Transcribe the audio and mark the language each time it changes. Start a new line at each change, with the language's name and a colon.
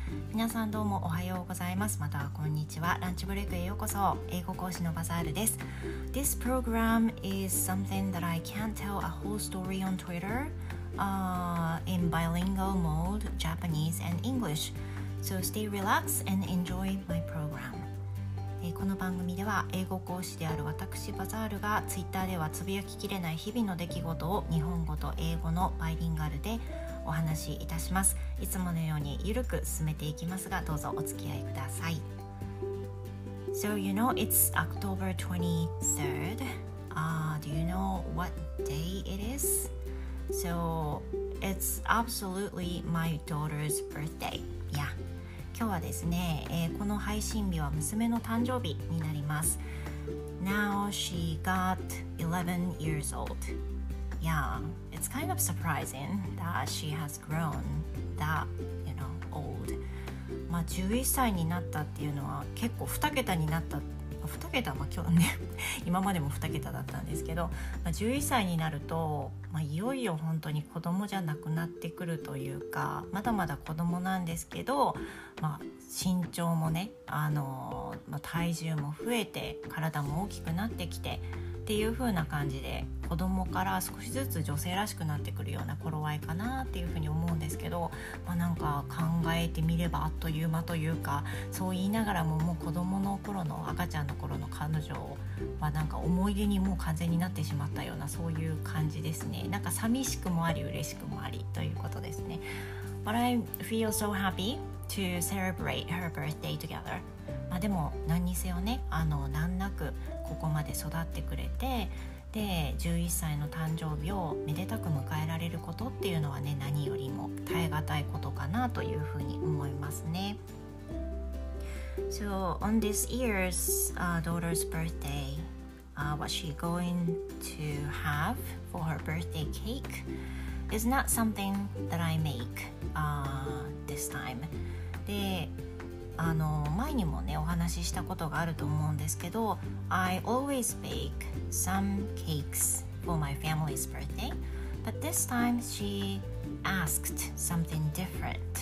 Japanese: 皆さんどうもおはようございます。またはこんにちは。ランチブレイクへようこそ。英語講師のバザールです。
English: This program is something that I can't tell a whole story on Twitter, in bilingual mode, Japanese and English. So stay relaxed and enjoy my program.
Japanese: この番組では英語講師である私バザールがツイッターではつぶやききれない日々の出来事を日本語と英語のバイリンガルでお話しいたします。いつものようにゆるく進めていきますが、どうぞお付き合いください。
English: So you know it's October 23rd、Do you know what day it is? So it's absolutely my daughter's birthday. Yeah.
Japanese: 今日はですね、この配信日は娘の誕生日になります。
English: Now she got 11 years old. Yeah, it's kind of surprising that she has grown that, you know, old.
Japanese: まあ11歳になったっていうのは結構2桁になった。 2桁は今日ね、今までも2桁だったんですけど、まあ、11歳になると、まあ、いよいよ本当に子供じゃなくなってくるというか、まだまだ子供なんですけど、まあ、身長もね、まあ、体重も増えて体も大きくなってきてっていう風な感じで、子供から少しずつ女性らしくなってくるような頃合いかなっていう風に思うんですけど、まあ、なんか考えてみればあっという間というか、そう言いながらももう子供の頃の赤ちゃんの頃の彼女はなんか思い出にもう完全になってしまったような、そういう感じですね。なんか寂しくもあり嬉しくもありということですね。
English: But I feel so happy to celebrate her birthday together.
Japanese: まあ、でも何にせよね、難なくここまで育ってくれて、で11歳の誕生日をめでたく迎えられることっていうのはね、何よりも耐え難いことかなというふうに思いますね。
English: So on this year's daughter's birthday, what she going to have for her birthday cake is not something that I make this time.
Japanese: で前にもねお話ししたことがあると思うんですけど、
English: I always bake some cakes for my family's birthday, but this time she asked something different.